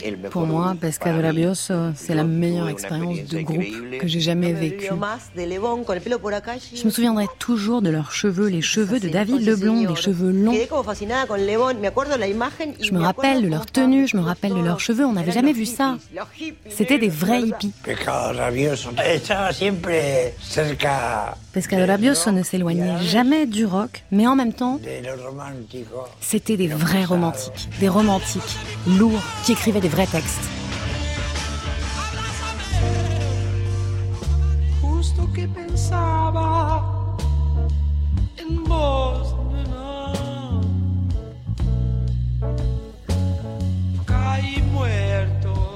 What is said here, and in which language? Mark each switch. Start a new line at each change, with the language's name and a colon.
French: Pour moi, Pescado Rabioso, c'est la meilleure expérience de groupe que j'ai jamais vécue. Je me souviendrai toujours de leurs cheveux, les cheveux de David Leblond, des cheveux longs. Je me rappelle de leur tenue, je me rappelle de leurs cheveux, on n'avait jamais vu ça. C'était des vrais hippies.
Spanish: Pescado Rabioso estaba siempre cerca.
French: Pescado Rabioso ne s'éloignait jamais du rock, mais en même temps, c'était des vrais romantiques. Des romantiques, lourds, qui écrivaient des vrais textes.
Spanish: Justo que pensaba en vos, nena. Caí muerto.